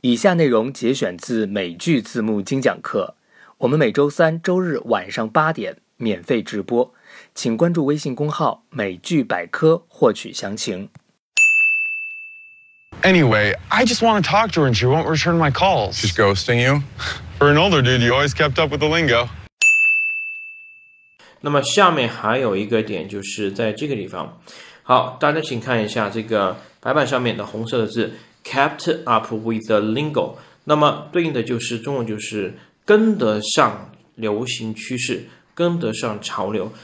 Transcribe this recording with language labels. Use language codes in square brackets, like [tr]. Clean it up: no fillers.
[zh] 以下内容节选自美剧字幕精讲课，我们每周三、周日晚上8点免费直播，请关注微信公号“美剧百科”获取详情。 [en] Anyway, I just want to talk to her and she won't return my calls. She's ghosting you? For an older dude, you always kept up with the lingo. [zh] 那么下面还有一个点就是在这个地方。好，大家请看一下这个白板上面的红色的字。 [en] Kept up with the lingo， [zh] 那么对应的就是中文就是跟得上流行趋势，跟得上潮流。